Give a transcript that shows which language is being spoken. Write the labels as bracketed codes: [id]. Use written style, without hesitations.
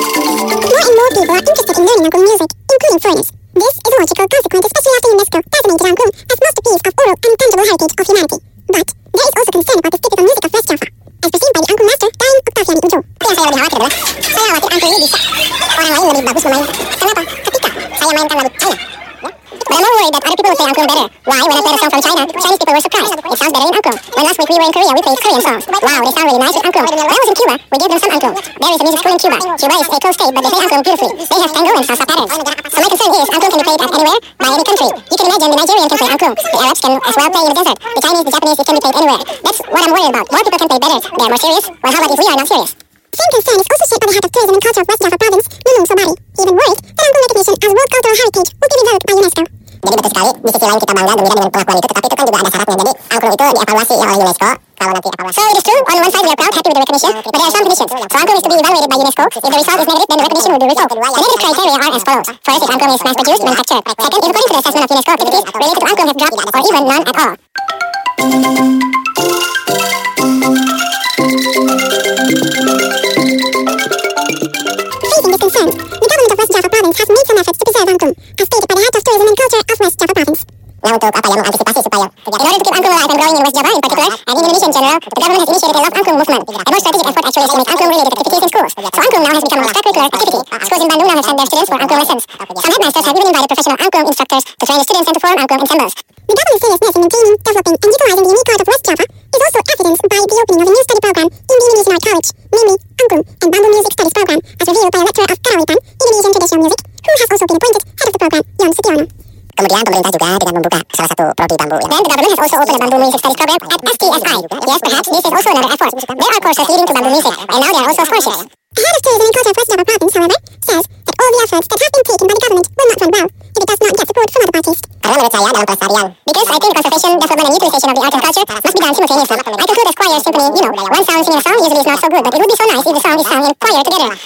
[en] People are interested in learning angklung music, including foreigners. This is a logical consequence, especially after UNESCO designated angklung as masterpiece of oral and tangible heritage of humanity. But there is also concern about the typical music of West Java, as perceived by the angklung master, Dayung Octavian Ujo. [id] Saya lebih khawatir adalah, saya khawatir angklung ini bisa. Orang lain lebih bagus memainkan. Kenapa? Ketika saya mainkan lagu China. [en] But I'm more worried that other people will play angklung better. Why? When I played a song from China, Chinese people were surprised. It sounds better in angklung. When last week we were in Korea, we played Korean songs. Wow, they sound really nice with angklung. When I was in Cuba, we gave them some angklung. There is a music school in Cuba. Cuba is a coast state, but they play angklung beautifully. They have tango and salsa patterns. So my concern is, angklung can be played at anywhere, by any country. You can imagine the Nigerian can play angklung. The Arabs can as well play in the desert. The Chinese, the Japanese, it can be played anywhere. That's what I'm worried about. More people can play better. They are more serious. Well, how about if we are not serious? Same concern is also shared by the head of tourism and culture of West Java Province, Nunung Sobari. Even worried that angklung recognition as world cultural heritage will be revoked by UNESCO. [id] Jadi betul sekali, di sisi lain kita bangga gembira dengan pengakuan itu, tetapi itu kan juga ada syaratnya. Jadi angklung itu dievaluasi oleh UNESCO. [en] So it is true, on one side we are proud, happy with the recognition, but there are some conditions. So angklung is to be evaluated by UNESCO. If the result is negative, then the recognition will be revoked. The negative criteria are as follows. First, if angklung is mass-produced, manufactured. Second, if according to the assessment of UNESCO activities, related to angklung have dropped, or even none at all. Facing this concern, the government of West Java Province has made some efforts to preserve angklung, as stated by the head of tourism and culture of West Java Province. [id] Nah untuk apa ya mengantisipasi supaya [en] in order to keep angklung alive and growing in West Java in particular and in Indonesia in general, the government has initiated a Love Angklung movement. A more strategic effort actually is to make angklung related activities in schools. So angklung now has become an extracurricular activity. Schools in Bandung now have sent their students for angklung lessons. Some headmasters have even invited professional angklung instructors to train the students and to form angklung ensembles. The government's seriousness in maintaining, developing and utilizing the unique art of West Java is also evidenced by Boom and Bamboo Music Studies Program, as revealed by a lecturer of Karawitan, Indonesian traditional music, who has also been appointed head of the program, Yon Sutiono. [id] Kemudian pemerintah juga dengan membuka salah satu prodi bambu. [en] Then the government has also opened a bamboo music studies program at STSI. Yes, perhaps this is also another effort. There are courses leading to bamboo music, and now there are also sponsors. The head of tourism and culture of West Java province, however, says that all the efforts that have been taken by the government will not run well if it does not get support from other parties. [id] Karena menurut saya dalam pelestarian. [en] Because I think conservation, development and utilization of the art and culture must be done simultaneously. I conclude as choir symphony, you know, one sound singing a song usually is not so good, but it would be so nice if the song is sung in choir together.